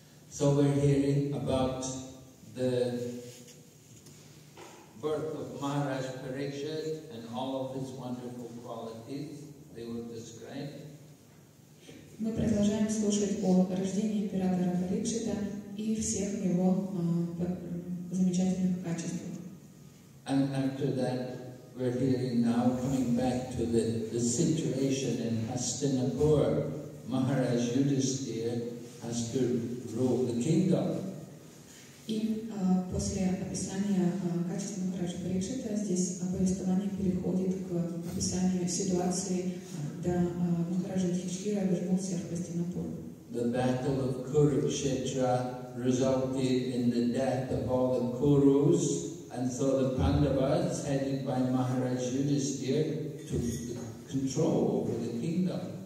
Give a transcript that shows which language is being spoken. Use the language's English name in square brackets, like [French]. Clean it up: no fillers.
[English] So we're hearing about the birth of Maharaj Parikshit and all of his wonderful qualities they were described. [Russian] Мы продолжаем слушать о рождении императора Парикшита и всех его замечательных качествах. [English] And after that, we're hearing now coming back to the situation in Hastinapur. Maharaj Yudhisthira has to rule the kingdom. [Russian] И после описания качеств Махараджа Парикшита здесь повествование переходит к описанию ситуации. [English] The battle of Kurukshetra resulted in the death of all the Kurus, and so the Pandavas, headed by Maharaj Yudhisthira, took control over the kingdom.